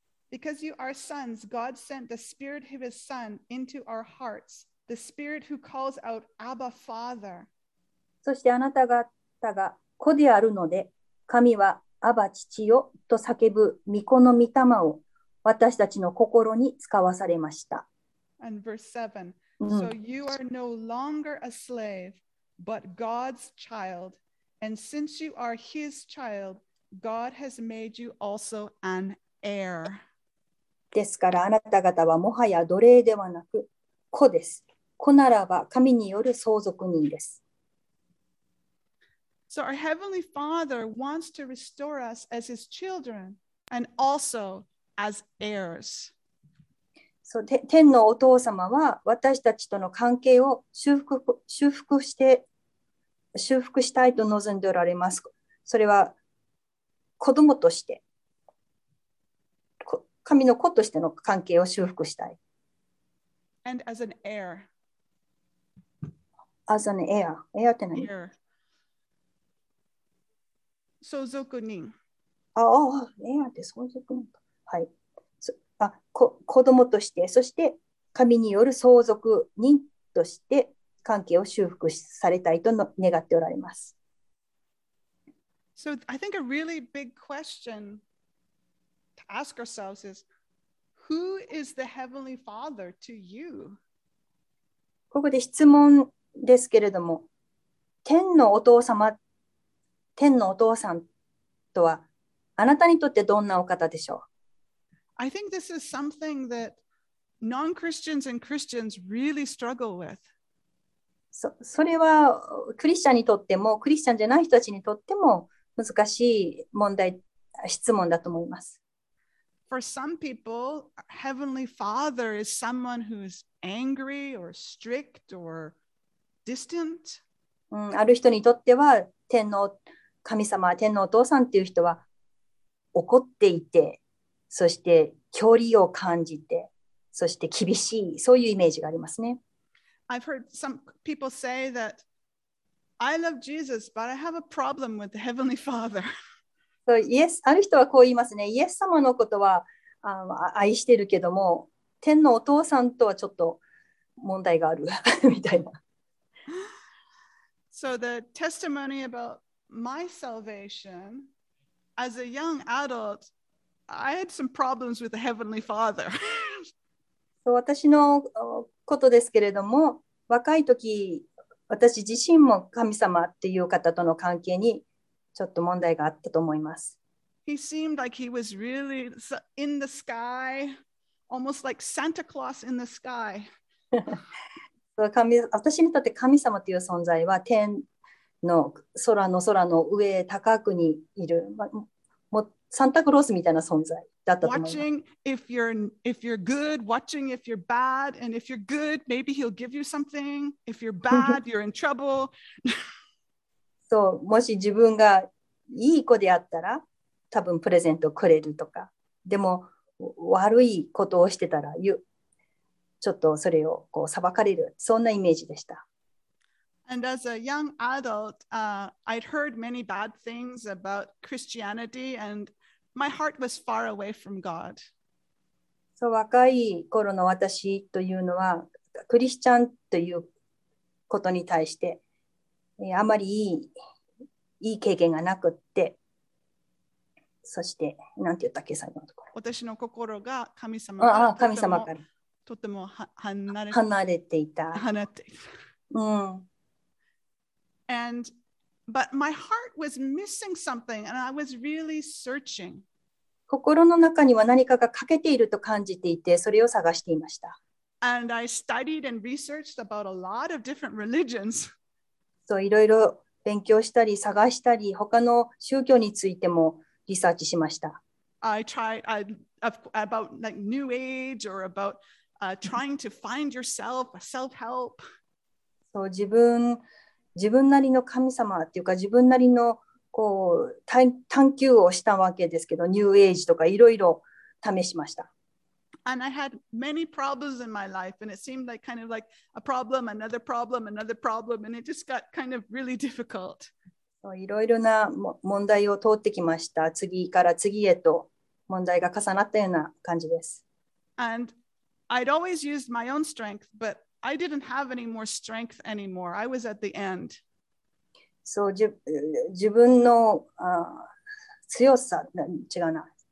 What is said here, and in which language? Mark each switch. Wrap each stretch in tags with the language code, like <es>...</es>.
<en>Because you are sons, God sent the Spirit of His Son into our hearts, the Spirit who calls out, Abba, Father.</en> <ja>そしてあなた方が子であるので、神はアバ父よと叫ぶ御子の御霊を私たちの心に使わされました。</ja> <en>And verse 7, So you are no longer a slave, but God's child. And since you are His child, God has made you also an heir.</en> <ja>ですからあなた方はもはや奴隷ではなく子です。子ならば神による相続人です。</ja> <en>So our Heavenly Father wants to restore us as His children and also as heirs.</en> <ja>そう、天のお父様は私たちとの関係を修復したいと望んでおられます。それは子供として。神の子としての関係を修復したい。</ja> <en>And as an heir. As an heir. Heir</en> <ja>って何？</ja> <en>Heir.</en> <ja>相続人。ああ、heir って相続人。はい。子供として、そして神による相続人として関係を修復されたいと願っておられます。</ja> <en>So I think a really big question. Ask ourselves is who is the Heavenly Father to you?</en> <ja>ここで質問ですけれども、天のお父さんとはあなたにとってどんなお方でしょう?</ja> <en>I think this is something that non-Christians and Christians really struggle with.</en> <ja>それはクリスチャンにとってもクリスチャンじゃない人たちにとっても難しい問題、質問だと思います。</ja> <en>for some people, Heavenly Father is someone who's angry or strict or distant.</en> <ja>ある人にとっては天の神様、天のお父さんっていう人は怒っていて、そして距離を感じて、そして厳しい、そういうイメージがありますね。</ja> <en>I've heard some people say that I love Jesus, but I have a problem with the Heavenly Father.</en> <ja>ある人はこう言いますね。イエス様のことは愛してるけども、天のお父さんとはちょっと問題があるみたいな。</ja> <en>So the testimony about my salvation as a young adult, I had some problems with the Heavenly Father.</en> <ja>私のことですけれども、若い時、私自身も神様っていう方との関係にちょっと問題があったと思います。</ja> <en>He seemed like he was really in the sky, almost like Santa Claus in the sky.</en> <ja>私にとって神様という存在は天の空の空の上高くにいる、もうサンタクロースみたいな存在だったと思います。</ja> <en>Watching if you're good, watching if you're bad, and if you're good, maybe he'll give you something. If you're bad, you're in trouble.</en> <ja>そう、もし自分がいい子であったら、多分プレゼントくれるとか、でも悪いことをしてたら言う。ちょっとそれをこう裁かれる、そんなイメージでした。</ja> <en>And as a young adult, I'd heard many bad things about Christianity, and my heart was far away from God.</en> <ja>そう、若い頃の私というのは、クリスチャンということに対して、あまりいい経験がなくって、そして、なんて言ったっけ、最後のところ。私の心が神様から。ああ、神様から。とても離れていた。離れていた。</ja> <en>But my heart was missing something, and I was really searching.</en> <ja>心の中には何かが欠けていると感じていて、それを探していました。</ja> <en>And I studied and researched about a lot of different religions.</en> <ja>そう、いろいろ勉強したり、探したり、他の宗教についてもリサーチしました。</ja> <en>I tried about like New Age or about... trying to find yourself, self-help.</en> <ja>そう、自分なりの神様っていうか、自分なりのこう探求をしたわけですけど、ニューエイジとかいろいろ試しました。</ja> <en>And I had many problems in my life, and it seemed like kind of like a problem, another problem, another problem, and it just got kind of really difficult.</en> <ja>そう、いろいろな問題を通ってきました。次から次へと問題が重なったような感じです。</ja> <en>And I'd always used my own strength, but I didn't have any more strength anymore. I was at the end.</en> <ja>So, 自分の強さ、違うな。</ja>